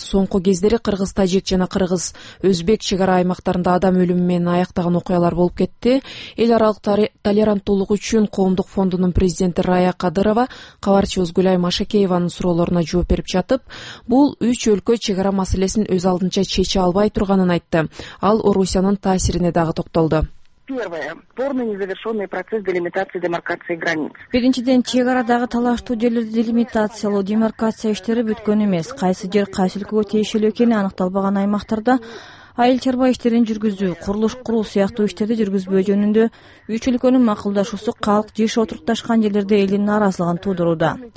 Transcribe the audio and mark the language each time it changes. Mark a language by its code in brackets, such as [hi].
[ky] Соңку кездери кыргыз тажик жана кыргыз өзбек чек ара аймактарында адам өлүмү менен аяктаган окуялар болуп кетти. Эл аралык толеранттуулук үчүн коомдук фондунун президенти Рая Кадырова кабарчыбыз Гүлай Машакееванын суроолоруна жооп берип жатып, бул 3 өлкө чек ара маселесин өз алдынча чече албай турганын айтты. Ал Орусиянын таасирине дагы токтолду. [ru] Первое. Полный незавершенный процесс делимитации демаркации границ. [ky] Биринчиден, чек арадагы талаштуу жерлерди делимитациялоо, демаркация иштери бүткөн эмес. Кайсы жер кайсы өлкөгө тиешелүү экени аныкталбаган аймактарда айыл чарба иштерин жүргүзүү, курулуш куруу сыяктуу иштерди жүргүзбөө жөнүндө 3 өлкөнүн макулдашуусу калк жыш отурукташкан жерлерде элдин нааразылыгын туудурууда.